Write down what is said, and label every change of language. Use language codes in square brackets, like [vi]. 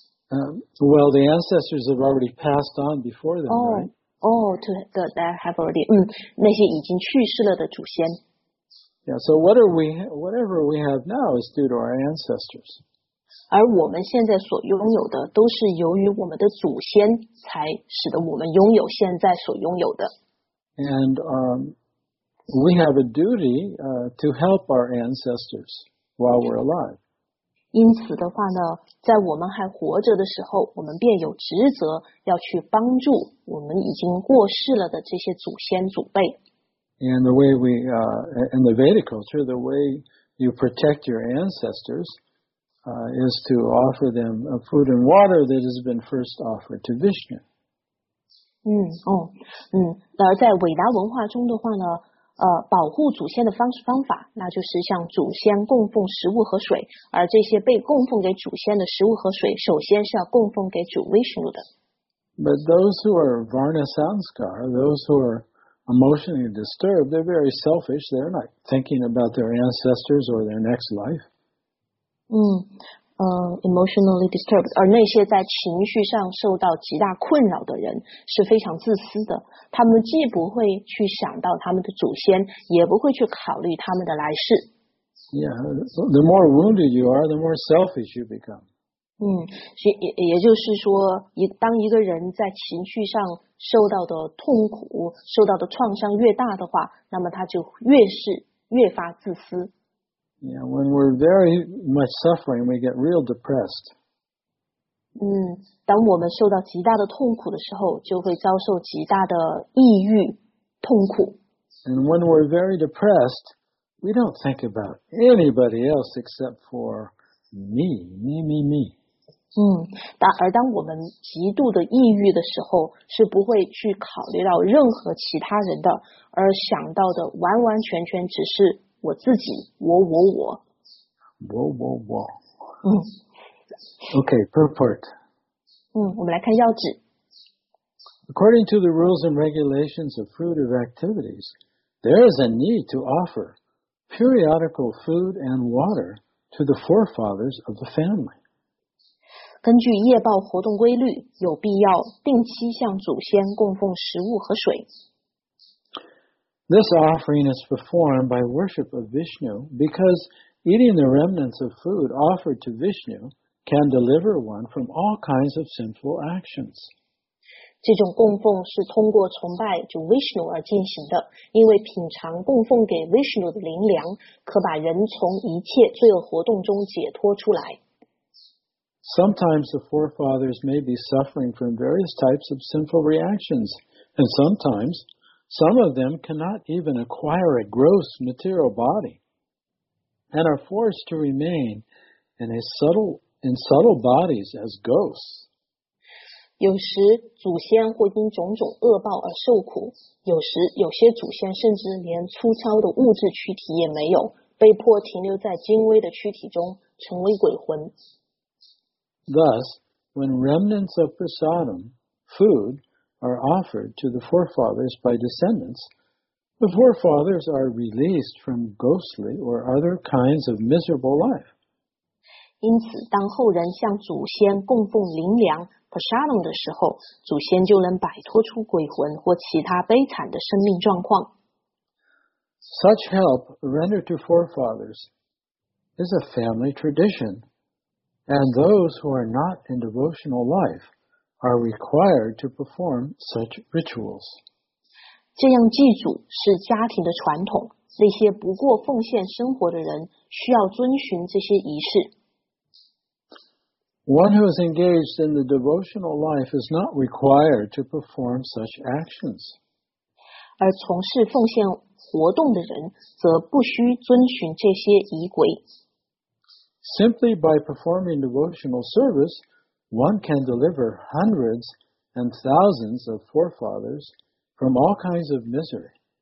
[en] Well, the ancestors have already passed on before them, oh, right? Oh, to the, that have already, [zh] 那些已经去世了的祖先。 [en] Yeah, so what are we, whatever we have now is due to our ancestors. [zh] 而我们现在所拥有的都是由于我们的祖先才使得我们拥有现在所拥有的。 [en] And we have a duty to help our ancestors while we're alive. [zh] 因此的话呢，在我们还活着的时候，我们便有职责要去帮助我们已经过世了的这些祖先祖辈。 [en] And the way we, in the Vedic culture, the way you protect your ancestors, is to offer them a food and water that has been first offered to Vishnu. [zh] 嗯，哦，嗯，而在韦达文化中的话呢，保护祖先的方式方法，那就是向祖先供奉食物和水，而这些被供奉给祖先的食物和水，首先是要供奉给主 Vishnu 的。 [en] But those who are Varna Sanskar, those who are emotionally disturbed, they're very selfish. They're not thinking about their ancestors or their next life. Emotionally disturbed. [zh] 而那些在情绪上受到极大困扰的人是非常自私的。他们既不会去想到他们的祖先，也不会去考虑他们的来世。 [en] Yeah, the more wounded you are, the more selfish you become. [zh] 也就是说，当一个人在情绪上受到的痛苦、受到的创伤越大的话，那么他就越是越发自私。 [en] Yeah, when we're very much suffering, we get real depressed. [zh] 当我们受到极大的痛苦的时候，就会遭受极大的抑郁痛苦。 [en] And when we're very depressed, we don't think about anybody else except for me, me, me, me. [zh] 而当我们极度的抑郁的时候，是不会去考虑到任何其他人的，而想到的完完全全只是我自己，我。我。嗯。 [en] Okay, purport. [zh] 我们来看要旨。 [en] According to the rules and regulations of fruitive activities, there is a need to offer periodical food and water to the forefathers of the family. [zh] 根据业报活动规律，有必要定期向祖先供奉食物和水。 [en] This offering is performed by worship of Vishnu because eating the remnants of food offered to Vishnu can deliver one from all kinds of sinful actions. [zh] 这种供奉是通过崇拜主 Vishnu 而进行的，因为品尝供奉给 Vishnu 的灵粮可把人从一切罪恶活动中解脱出来。 [en] Sometimes the forefathers may be suffering from various types of sinful reactions, and sometimes some of them cannot even acquire a gross material body and are forced to remain in subtle bodies as ghosts. [zh] 有时祖先会因种种恶报而受苦，有些祖先甚至连粗糙的物质躯体也没有，被迫停留在精微的躯体中，成为鬼魂。 [en] Thus, when remnants of prasadam, food, are offered to the forefathers by descendants, the forefathers are released from ghostly or other kinds of miserable life. [zh] 因此，当后人向祖先供奉灵粮 prasadam 的时候，祖先就能摆脱出鬼魂或其他悲惨的生命状况。 [en] Such help rendered to forefathers is a family tradition. And those who are not in devotional life are required to perform such rituals. [zh] 这样祭祖是家庭的传统，那些不过奉献生活的人需要遵循这些仪式。 [en] One who is engaged in the devotional life is not required to perform such actions. [zh] 而从事奉献活动的人则不需遵循这些仪轨。 [en] Simply by performing devotional service, one can deliver hundreds and thousands of forefathers from all kinds of misery.